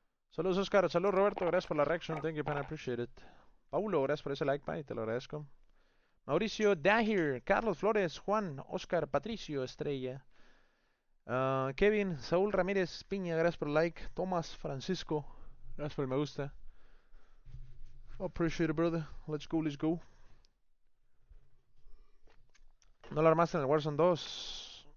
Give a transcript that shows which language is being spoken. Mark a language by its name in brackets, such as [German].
[Spanish] Saludos Oscar, saludos Roberto, gracias por la reaction, [English] thank you, [Spanish] pan, [English] I appreciate it. [Spanish] Paulo, gracias por ese like, pan, te lo agradezco. Mauricio Dahir, Carlos Flores, Juan, Oscar, Patricio Estrella, Kevin, Saúl Ramírez Piña, gracias por el like. Tomás Francisco, gracias por el me gusta. [English] Appreciate it, brother, let's go. [Spanish] No lo armaste en el Warzone 2.